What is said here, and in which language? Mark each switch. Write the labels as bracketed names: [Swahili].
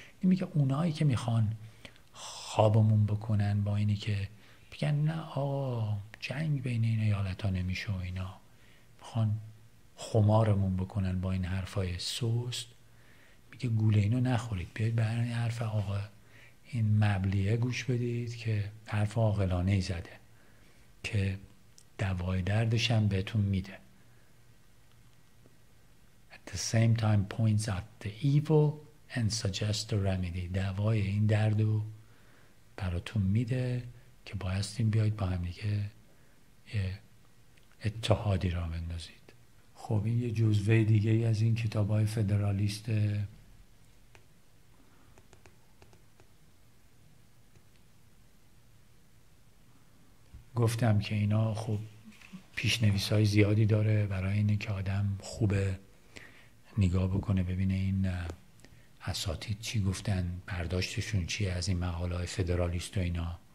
[Persian] میگه اونایی که میخوان خوابمون بکنن با اینی که بگن نه آقا جنگ بین این ایالت ها نمیشه و اینا، میخوان خمارمون بکنن با این حرف های سوست، میگه گوله اینو نخورید، بیاید برای این حرف آقا این مبلیه گوش بدید که حرف عاقلانه ای زده که دوای دردش هم بهتون میده. [English] At the same time points out the evil and suggests a remedy. [Persian] دوای این دردو براتون میده که بایستیم بیاید با هم دیگه یه اتحادی را بندازید. خب این یه جزوه دیگه ای از این کتابای فدرالیست گفتم که اینا خب پیشنویسای زیادی داره برای اینه که آدم خوبه نگاه بکنه ببینه این اساتید چی گفتن، برداشتشون چیه از این مقاله فدرالیست و اینا.